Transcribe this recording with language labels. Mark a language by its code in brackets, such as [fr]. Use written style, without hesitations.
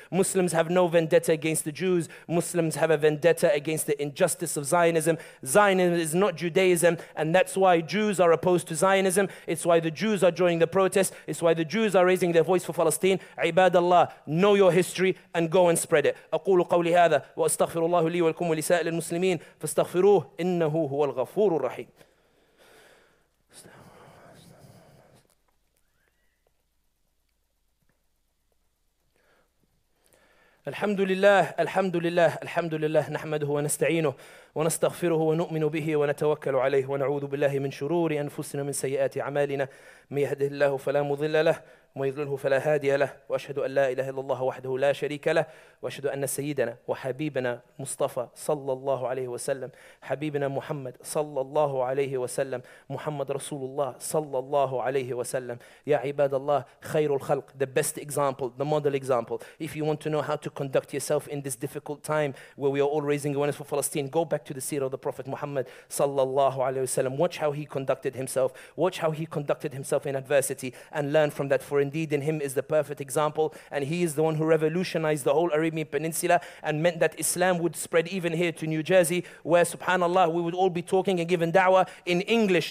[en] Muslims have no vendetta against the Jews. Muslims have a vendetta against the injustice of Zionism. Zionism is not Judaism, and that's why Jews are opposed to Zionism. It's why the Jews are joining the protest. It's why the Jews are raising their voice for Palestine. Ibad Allah, know your history and go and spread it. [ar] أقول قولي هذا وأستغفر الله لي ولكم ولسائر المسلمين فاستغفروه إنه هو الغفور الرحيم. الحمد لله الحمد لله الحمد لله نحمده ونستعينه ونستغفره ونؤمن به ونتوكل عليه ونعوذ بالله من شرور أنفسنا من سيئات أعمالنا من يهده الله فلا مضل له ومن يضلله فلا هادي له وأشهد أن لا إله إلا الله وحده لا شريك له وأشهد أن سيدنا وحبيبنا مصطفى صلى الله عليه وسلم حبيبنا محمد صلى الله عليه وسلم محمد رسول الله صلى الله عليه وسلم يا عباد الله خير الخلق [en] the best example, the model example. If you want to know how to conduct yourself in this difficult time where we are all raising awareness for Palestine, go back to the seerah of the Prophet Muhammad صلى الله عليه وسلم. Watch how he conducted himself. Watch how he conducted himself in adversity and learn from that. For indeed in him is the perfect example, and he is the one who revolutionized the whole Arabian Peninsula and meant that Islam would spread even here to New Jersey, where subhanallah we would all be talking and giving da'wah in English.